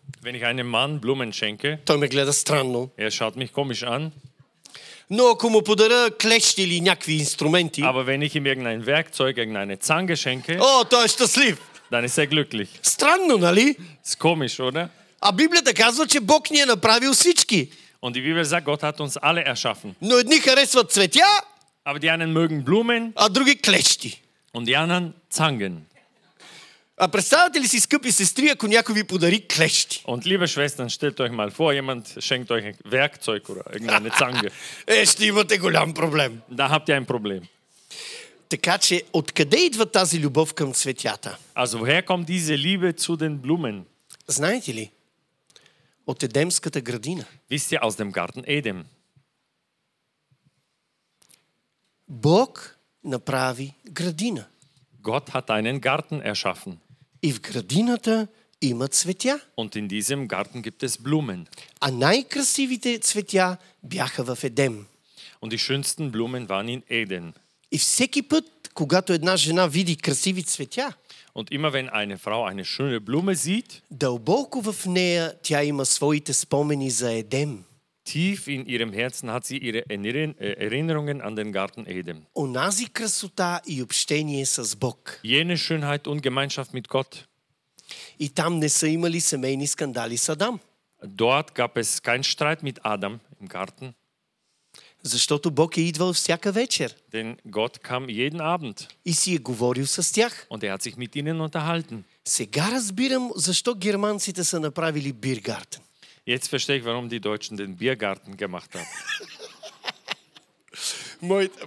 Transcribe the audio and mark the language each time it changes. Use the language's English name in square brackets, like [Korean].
[German] wenn ich einem Mann Blumen schenke, [Bulgarian] той ме гледа странно. [German] Er schaut mich komisch an. [Bulgarian] Но ако му подаря клещи или някакви инструменти, [German] aber wenn ich ihm irgendein Werkzeug, irgendeine Zange schenke, [Bulgarian] о, той е щастлив. [German] Dann ist er glücklich. [Bulgarian] Странно, нали? [German] Ist komisch, oder? [Bulgarian] А Библията казва, че Бог ни е направил всички. [German] Und die Bibel sagt, Gott hat uns alle erschaffen. [Bulgarian] Но едни харесват цветя, [German] aber die einen mögen Blumen, [Bulgarian] а други клещи. [German] Und die anderen Zangen. [Bulgarian] А представете ли си, скъпи сестри, ако някой ви подари клещи? [German] Und liebe Schwestern, stellt euch mal vor, jemand schenkt euch ein Werkzeug oder irgendeine Zange. [Bulgarian] Ще имате голям проблем. [German] Da habt ihr ein Problem. [Bulgarian] Така че откъде идва тази любов към цветята? [German] Also woher kommt diese Liebe zu den Blumen? [Bulgarian] Знаете ли? От Едемската градина. [German] Wisst ihr aus dem Garten Eden? [Bulgarian] Бог направи градина. [German] Gott hat einen Garten erschaffen. [Bulgarian] И в градината има цветя. [German] Und in diesem Garten gibt es Blumen. [Bulgarian] А най-красивите цветя бяха в Едем. [German] Und die schönsten Blumen waren in Eden. [Bulgarian] И всеки път, когато една жена види красиви цветя, [German] und immer wenn eine Frau eine schöne Blume sieht, [Bulgarian] дълбоко в нея тя има своите спомени за Едем. [German] Tief in ihrem Herzen hat sie ihre Erinnerungen an den Garten Eden. [Bulgarian] Онази красота и общение с Бог. [German] Jene Schönheit und Gemeinschaft mit Gott. [Bulgarian] И там не са имали семейни скандали с Адам. [German] Dort gab es keinen Streit mit Adam im Garten. [Bulgarian] Защото Бог е идвал всяка вечер. [German] Denn Gott kam jeden Abend. [Bulgarian] И си е говорил с тях. [German] Und hat sich mit ihnen unterhalten. [Bulgarian] Сега разбирам защо германците са направили Biergarten. [German] Jetzt verstehe ich, warum die Deutschen den Biergarten gemacht haben.